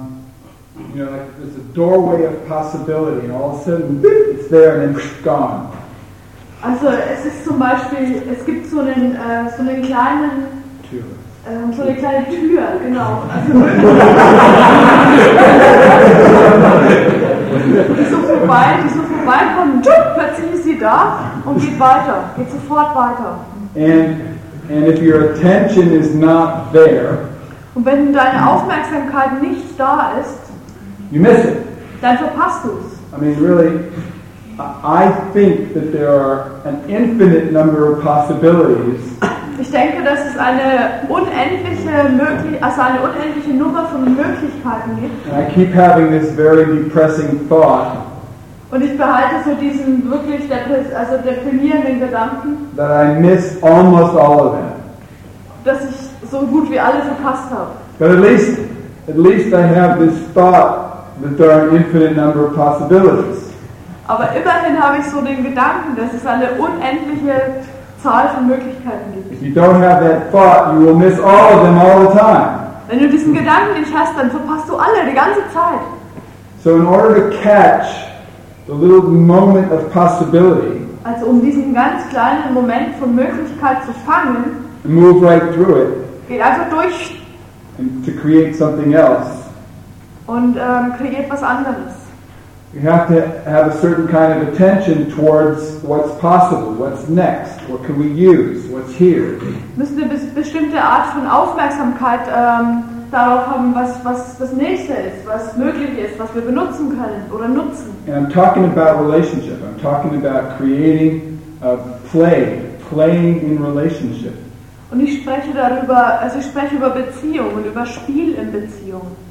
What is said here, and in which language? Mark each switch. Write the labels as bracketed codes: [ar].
[en] And you know, like, there's a doorway of possibility, and all of a sudden, it's there and then it's gone. [de] Also es ist zum Beispiel, es gibt so eine kleine Tür, genau. Also die so vorbeikommt, plötzlich ist sie da und geht sofort weiter. [en] And if your attention is not there, [de] und wenn deine Aufmerksamkeit nicht da ist, [en] you miss it. [de] Dann verpasst du es. [en] I mean, really, I think that there are an infinite number of possibilities. [de] Ich denke, dass es eine unendliche Nummer von Möglichkeiten gibt. [en] And I keep having this very depressing thought. [de] Und ich behalte so diesen wirklich deprimierenden Gedanken, [en] that I miss almost all of them. [de] Dass ich so gut wie alle verpasst habe. [en] But at least I have this thought that there are an infinite number of possibilities. [de] Aber immerhin habe ich so den Gedanken, dass es eine unendliche Zahl von Möglichkeiten gibt. [en] If you don't have that thought, you will miss all of them all the time. [de] Wenn du diesen Gedanken nicht hast, dann verpasst du alle die ganze Zeit. [en] So in order to catch the little moment of possibility. [de] Also um diesen ganz kleinen Moment von Möglichkeit zu fangen. [en] And move right through it. [de] Geht einfach durch. [en] And to create something else. [de] Und kreiert was anderes. [en] You have to have a certain kind of attention towards what's possible, what's next, what can we use, what's here. [de] Müssen wir bestimmte Art von Aufmerksamkeit darauf haben, was das Nächste ist, was möglich ist, was wir benutzen können oder nutzen. [en] And I'm talking about relationship. I'm talking about creating a play, playing in relationship. [de] Und ich spreche darüber, also ich spreche über Beziehung und über Spiel in Beziehung.